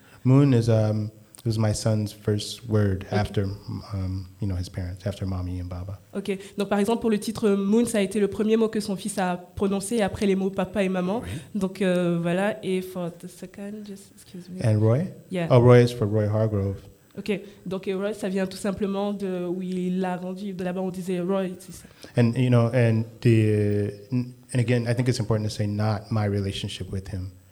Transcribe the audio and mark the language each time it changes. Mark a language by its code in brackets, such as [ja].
[en] Moon is it was my son's first word after you know, his parents, after Mommy and Baba. Okay. [fr] Donc par exemple pour le titre Moon, ça a été le premier mot que son fils a prononcé après les mots papa et maman. Oui. Donc voilà. Et [en] for the second, just excuse me. And Roy? Yeah. Oh, Roy is for Roy Hargrove. Okay. [fr] Donc Roy, ça vient tout simplement de où il l'a rendu. De là-bas, on disait Roy. C'est ça. [en] And you know, and again, I think it's important to say not my relationship with him.